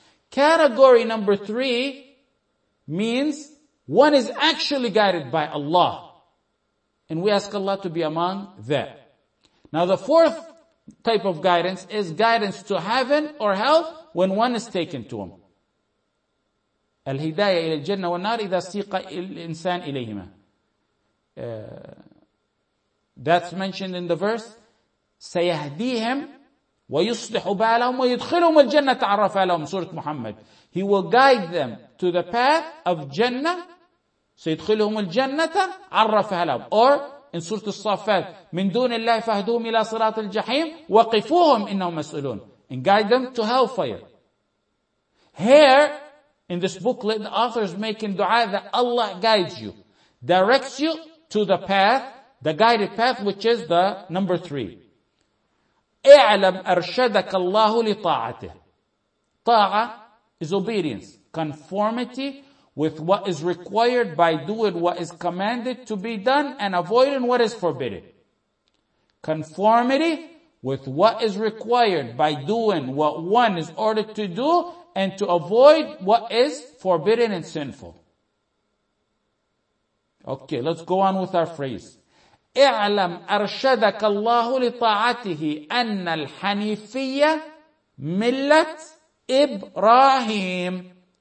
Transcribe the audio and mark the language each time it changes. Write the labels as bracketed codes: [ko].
[en] Category number three means one is actually guided by Allah. And we ask Allah to be among that. Now the fourth type of guidance is guidance to heaven or hell when one is taken to him. [ar] الهداية إلى الجنة والنار إذا سيق الإنسان إليهما. [en] That's mentioned in the verse. [ar] سيهديهم ويصلح بالهم ويدخلهم الجنة تعرف عليهم. سورة محمد. [en] He will guide them to the path of Jannah. [ar] سيدخلهم الجنة عرف عليهم. [en] Or in Surah As-Saffat, [ar] مِنْ دُونِ اللَّهِ فَهْدُوهُمْ إِلَى صِرَاطِ الْجَحِيمِ وَقِفُوهُمْ إِنَّهُمْ مَسْئُلُونَ. [en] And guide them to hellfire. Here, in this booklet, the author is making dua that Allah guides you, directs you to the path, the guided path, which is the number three. [ar] اِعْلَمْ أَرْشَدَكَ اللَّهُ لِطَاعَتِهِ. [en] Ta'a is obedience, conformity, with what is required by doing what is commanded to be done and avoiding what is forbidden. Conformity with what is required by doing what one is ordered to do and to avoid what is forbidden and sinful. Okay, let's go on with our phrase. [ar] اعلم أرشدك الله لطاعته أن الحنيفية ملة إبراهيم.